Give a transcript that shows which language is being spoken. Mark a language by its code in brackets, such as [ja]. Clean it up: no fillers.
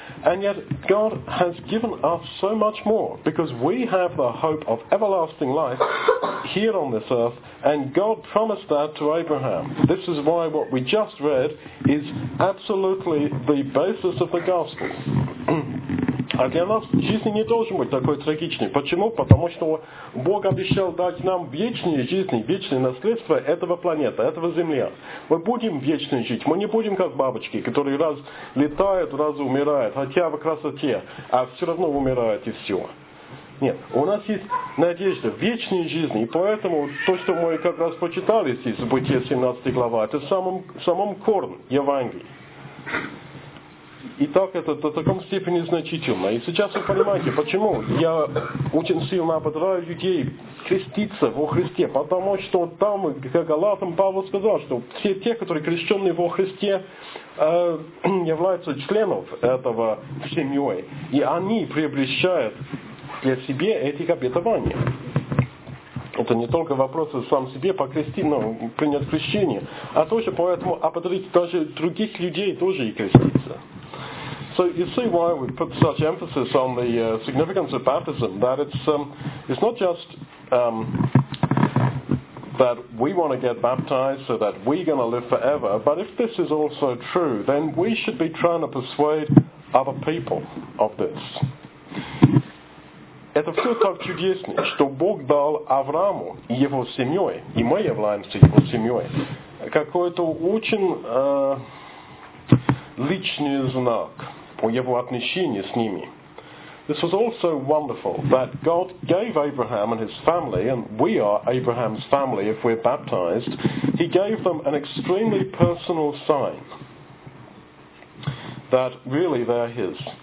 [en] And yet God has given us so much more, because we have the hope of everlasting life here on this earth, and God promised that to Abraham. This is why what we just read is absolutely the basis of the gospel. [ru] А для нас жизнь не должен быть такой трагичной. Почему? Потому что Бог обещал дать нам вечные жизни, вечное наследство этого планета, этого Земля. Мы будем вечно жить. Мы не будем как бабочки, которые раз летают, раз умирают, хотя в красоте, а все равно умирают и все. Нет, у нас есть надежда в вечной жизни, и поэтому то, что мы как раз почитали здесь в Бытие 17 глава, это самом корне Евангелия. И так это до таком степени значительно. И сейчас вы понимаете, почему я очень сильно ободраю людей креститься во Христе. Потому что там, как Галатам, Павел сказал, что все те, которые крещенные во Христе, являются членом этого семьи. И они приобрещают для себя эти обетования. Это не только вопрос сам себе покрестить, но принять крещение, а тоже поэтому ободрить даже других людей тоже и креститься. [en] So you see why we put such emphasis on the significance of baptism, that it's not just that we want to get baptized so that we're going to live forever, but if this is also true, then we should be trying to persuade other people of this. [ru] Это все так чудесно, что Бог дал Аврааму и его семьей, и мы являемся его семьей, какой-то очень личный знак о его отношении с ними. [en] This was also wonderful that God gave Abraham and his family, and we are Abraham's family if we're baptized, he gave them an extremely personal sign that really they're his.